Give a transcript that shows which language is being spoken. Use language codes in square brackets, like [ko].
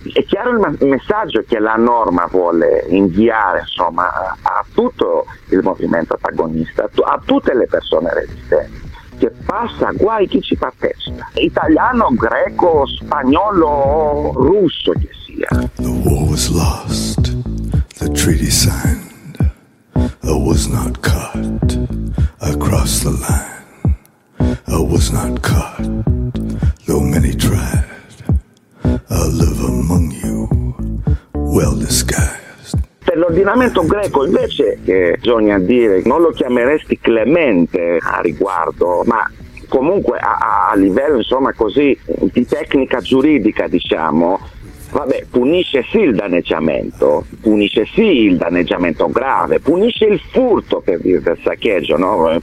[it] È chiaro il messaggio che la norma vuole inviare, insomma, a tutto il movimento antagonista, a tutte le persone resistenti, che passa guai chi ci partecipa, italiano, greco, spagnolo, russo che sia. [en] The war was lost, the treaty signed, I was not cut across the line. I was not caught, though many tried. I live among you, well disguised. [it] Per l'ordinamento greco invece, che bisogna dire, non lo chiameresti clemente a riguardo, ma comunque a livello, insomma, così di tecnica giuridica, diciamo, vabbè, punisce sì il danneggiamento, punisce sì il danneggiamento grave, punisce il furto, per dire, del saccheggio, no?